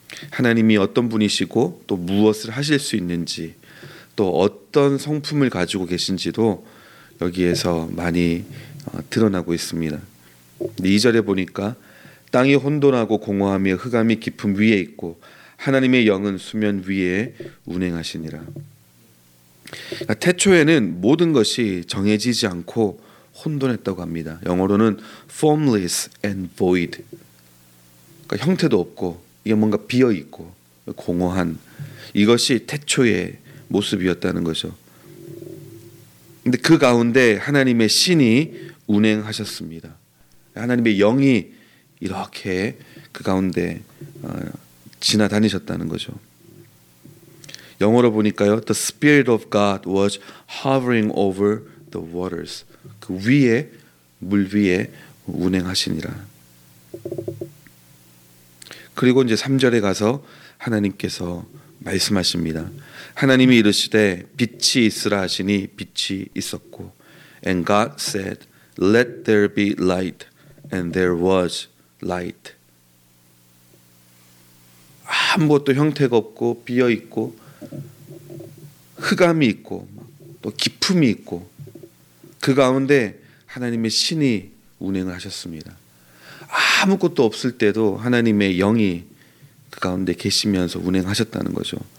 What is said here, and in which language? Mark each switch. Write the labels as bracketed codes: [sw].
[ko] 하나님이 어떤 분이시고 또 무엇을 하실 수 있는지 또 어떤 성품을 가지고 계신지도 여기에서 많이 드러나고 있습니다. 2절에 보니까 땅이 혼돈하고 공허하며 흑암이 깊음 위에 있고 하나님의 영은 수면 위에 운행하시니라. 그러니까 태초에는 모든 것이 정해지지 않고 혼돈했다고 합니다. 영어로는 [en] formless and void. [ko] 그러니까 형태도 없고 이게 뭔가 비어있고 공허한 이것이 태초의 모습이었다는 거죠. 그런데 그 가운데 하나님의 신이 운행하셨습니다. 하나님의 영이 이렇게 그 가운데 지나다니셨다는 거죠. 영어로 보니까요, [en] The Spirit of God was hovering over the waters. [ko] 그 위에, 물 위에 운행하시니라. 그리고 이제 3절에 가서 하나님께서 말씀하십니다. 하나님이 이르시되 빛이 있으라 하시니 빛이 있었고 [en] And God said, Let there be light, and there was light. [ko] 아무것도 형태가 없고 비어있고 흑암이 있고 또 깊음이 있고 그 가운데 하나님의 신이 운행을 하셨습니다. 아무것도 없을 때도 하나님의 영이 그 가운데 계시면서 운행하셨다는 거죠.